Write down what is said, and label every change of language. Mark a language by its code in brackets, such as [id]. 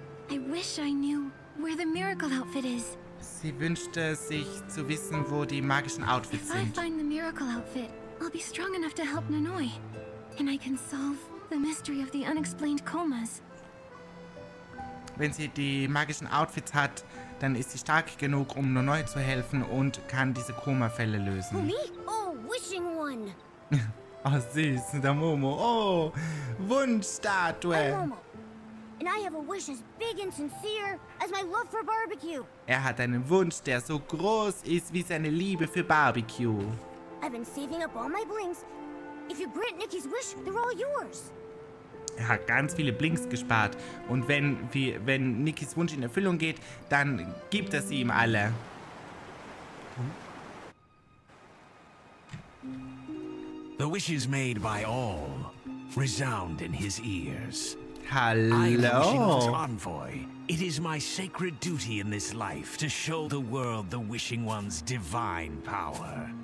[en] I wish I knew where the miracle outfit is. [de] Sie wünschte sich zu wissen, wo die magischen Outfits sind. [en] If I find the miracle outfit, I'll be strong enough to help Nanoi. And I can solve the mystery of the unexplained comas. [de] Wenn sie die magischen Outfits hat, dann ist sie stark genug, um Nanoi zu helfen und kann diese Koma-Fälle lösen. [en] Me? Oh, wishing one. [de] Oh, süß, der Momo. Oh, Wunschstatue. [en] I'm Momo. And I have a wish as big and sincere as my love for barbecue. [de] Er hat einen Wunsch, der so groß ist wie seine Liebe für Barbecue. [en] I've been saving up all my blinks. If you grant Nikki's wish, they're all yours. [de] Er hat ganz viele Blinks gespart. Und wenn Nikkis Wunsch in Erfüllung geht, dann gibt er sie ihm alle. [en] The wishes made by all resound in his ears. [de] Hallo. [en] I'm wishing one's envoy. It is my sacred duty in this life to show the world the wishing one's divine power.